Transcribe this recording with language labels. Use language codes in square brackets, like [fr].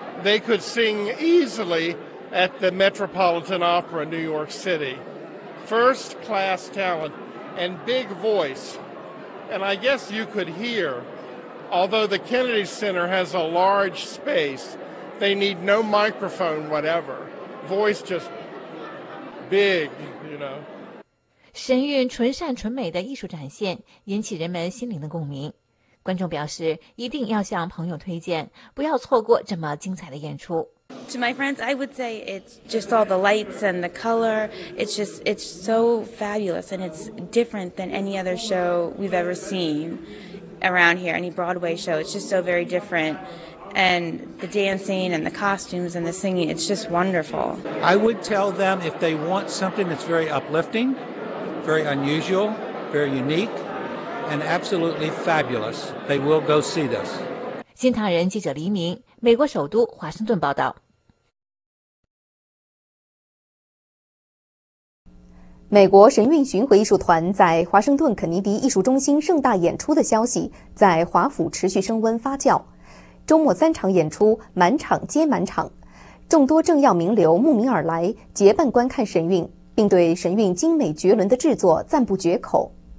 [en] They could sing easily at the Metropolitan Opera in New York City. First class talent and big voice. And I guess you could hear. Although the Kennedy Center has a large space, they need no microphone whatever. Voice just big, you know. [zh] 神韵纯善纯美的艺术展现引起人们心灵的共鸣。观众表示一定要向朋友推荐，不要错过这么精彩的演出。 [en] To my friends, I would say it's just all the lights and the color. It's just, it's so fabulous and it's different than any other show we've ever seen. Around here, any Broadway show, it's just so very different. And the dancing and the costumes and the singing, it's just wonderful. I would tell them if they want something that's very uplifting, very unusual, very unique, and absolutely fabulous, they will go see this. [zh] 新唐人记者黎明，美国首都华盛顿报道。美国神韵巡回艺术团在华盛顿肯尼迪艺术中心盛大演出的消息在华府持续升温发酵，周末三场演出满场接满场，众多政要名流慕名而来结伴观看神韵，并对神韵精美绝伦的制作赞不绝口。